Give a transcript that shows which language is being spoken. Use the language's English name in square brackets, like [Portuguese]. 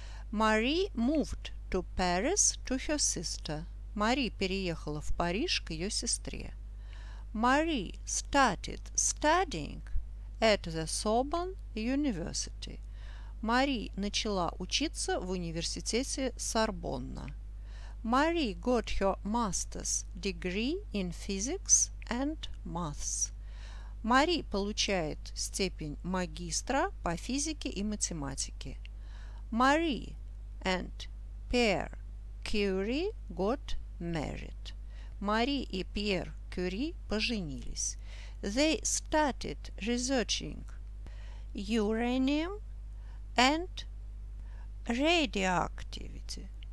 [English] Marie moved to Paris to her sister. [Russian] Мари переехала в Париж к ее сестре. [English] Marie started studying at the Sorbonne University. [Russian] Мари начала учиться в университете Сорбонна. [English] Мари got her master's degree in physics and maths. [Russian] Мари получает степень магистра по физике и математике. [English] Мари and Pierre Curie got married. [Russian] Мари и Пьер Кюри поженились. [English] They started researching uranium and radioactivity.